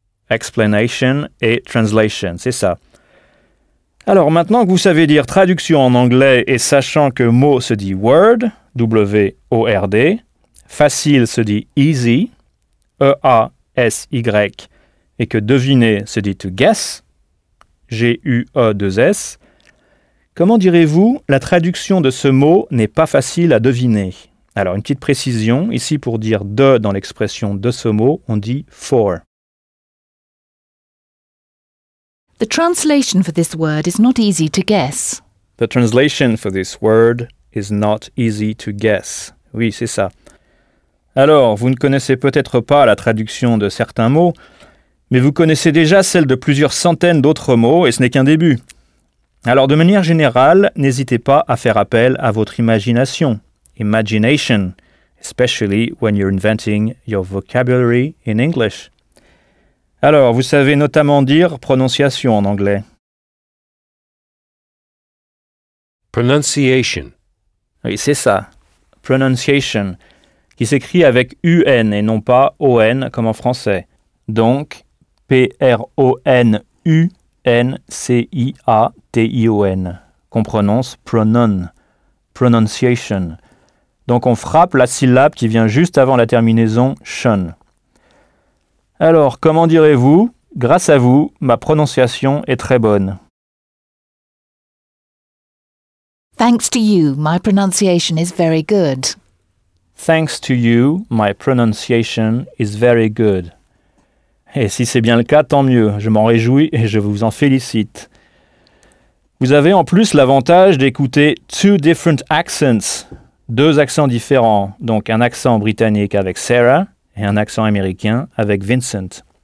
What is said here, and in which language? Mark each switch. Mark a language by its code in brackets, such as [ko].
[fr] Explanation et translation, c'est ça. Alors, maintenant que vous savez dire traduction en anglais et sachant que mot se dit word, W-O-R-D, facile se dit easy, E-A-S-Y, et que deviner se dit [en] to guess, [fr] G-U-E-2-S, Comment direz-vous, la traduction de ce mot n'est pas facile à deviner? Alors, une petite précision, ici pour dire « de » dans l'expression « de ce mot », on dit « for ». [en] The translation for this word is not easy to guess. The translation for this word is not easy to guess. [fr] Oui, c'est ça. Alors, vous ne connaissez peut-être pas la traduction de certains mots, mais vous connaissez déjà celle de plusieurs centaines d'autres mots, et ce n'est qu'un début. Alors, de manière générale, n'hésitez pas à faire appel à votre imagination. [en] Imagination, especially when you're inventing your vocabulary in English. [fr] Alors, vous savez notamment dire prononciation en anglais. [en] Pronunciation. [fr] Oui, c'est ça. Pronunciation, qui s'écrit avec UN et non pas ON comme en français. Donc, PRONUNCIATION, qu'on prononce pronon, pronunciation. Donc, on frappe la syllabe qui vient juste avant la terminaison shun. Alors, comment direz-vous? Grâce à vous, ma prononciation est très bonne. [en] Thanks to you, my pronunciation is very good. Thanks to you, my pronunciation is very good. [fr] Et si c'est bien le cas, tant mieux. Je m'en réjouis et je vous en félicite. Vous avez en plus l'avantage d'écouter [en] two different accents, [fr] deux accents différents, donc un accent britannique avec Sarah et un accent américain avec Vincent.